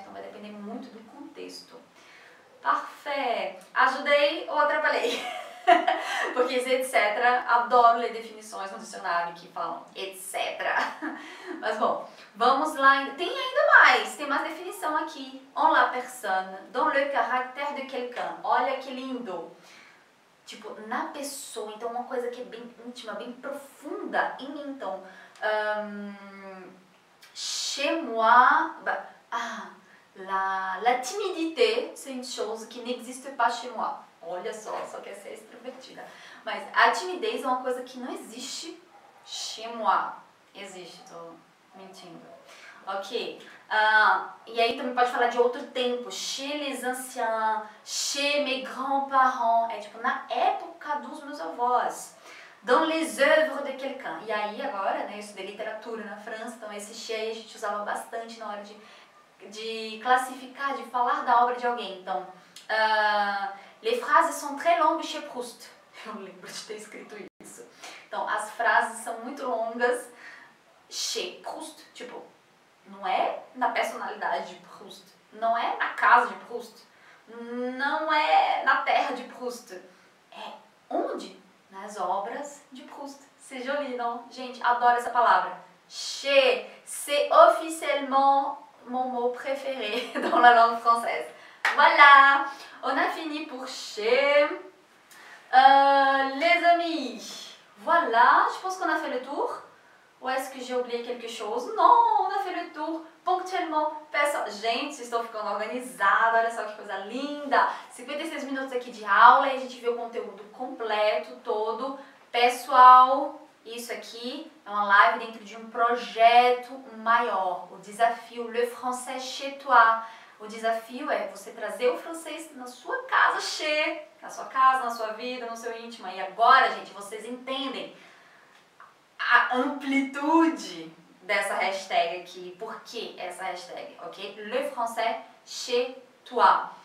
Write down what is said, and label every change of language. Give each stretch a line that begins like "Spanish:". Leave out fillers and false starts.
Portuguese: Então vai depender muito do contexto.
French: Parfait!
Portuguese: Ajudei ou atrapalhei? Porque esse etc, adoro ler definições no dicionário que falam etc. Mas bom, vamos lá. Tem ainda mais, tem mais definição aqui.
French: En la personne, dans le caractère de quelqu'un.
Portuguese: Olha que lindo. Tipo, na pessoa, então uma coisa que é bem íntima, bem profunda em mim. Então,
French: chez moi, la timidité, c'est une chose qui n'existe pas chez moi.
Portuguese: Olha só, só quer ser extrovertida. Mas a timidez é uma coisa que não existe
French: chez moi.
Portuguese: Existe, tô mentindo. Ok. E aí também pode falar de outro tempo.
French: Chez les anciens, chez mes grands-parents.
Portuguese: É tipo na época dos meus avós.
French: Dans les œuvres de quelqu'un.
Portuguese: E aí agora, né, eu estudei literatura na França, então esse chez a gente usava bastante na hora de classificar, de falar da obra de alguém. Então,
French: les phrases sont très longues chez Proust.
Portuguese: Eu lembro de ter escrito isso. Então, as frases são muito longas
French: chez Proust.
Portuguese: Tipo, não é na personalidade de Proust. Não é na casa de Proust. Não é na terra de Proust. É onde? Nas obras de Proust. Vocês já ouviram? Gente, adoro essa palavra.
French: Chez. C'est officiellement mon mot préféré dans la langue française. Voilà! On a fini pour chez. Les amis. Voilà, je pense qu'on a fait le tour. Ou est-ce que j'ai oublié quelque chose? Non, on a fait le tour. Ponctuellement.
Portuguese: Gente, estou ficando organizada. Olha só que coisa linda. 56 minutos aqui de aula e a gente vê o conteúdo completo, todo. Pessoal, isso aqui é uma live dentro de um projeto maior. O desafio Le Français chez toi. O desafio é você trazer o francês na sua casa, chez. Na sua casa, na sua vida, no seu íntimo. E agora, gente, vocês entendem a amplitude dessa hashtag aqui. Por que essa hashtag, ok? Le français chez toi.